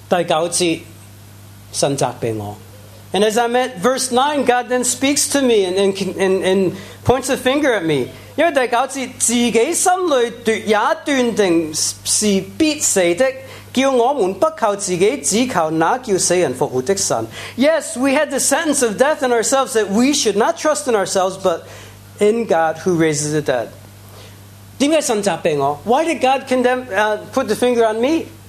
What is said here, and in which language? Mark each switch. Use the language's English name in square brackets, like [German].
[Cantonese] 跟住嚟到第九節，神責備我。 [English] And as I'm at verse 9, God then speaks to me and points a finger at me. [Cantonese] 因為第九節，自己心裏奪也斷定是必死的。 [English] Yes, we had the sentence of death in ourselves that we should not trust in ourselves, but in God who raises the dead. [Cantonese] 為什麼神責備我? [English] Why did God condemn, put the finger on me?